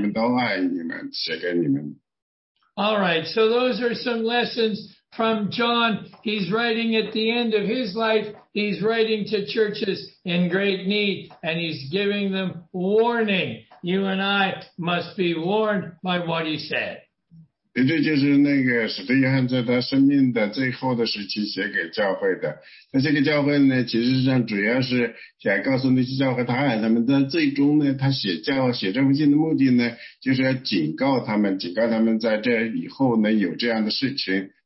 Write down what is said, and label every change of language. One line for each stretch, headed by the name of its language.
Chinese: 有时候呢，我们会写信呢，写信就是说呢，就是说我们会写一些特别的事情或者特别的那个人，然后就说呢，你们可以为我们祷告。但是有时候我们写信呢，这些人是从我们所有的教会成员，他们都爱你们，写给你们。All
English: right, so those are some lessons from John. He's writing at the end of his life. He's writing to churches in great need, and he's giving them warning. You and I must be warned by what he said.
Chinese: 这就是那个使徒约翰在他生命的最后的时期写给教会的。那这个教会呢，其实上主要是想告诉那些教会他爱他们，但最终呢，他写教写这封信的目的呢，就是要警告他们，警告他们在这以后呢，有这样的事情。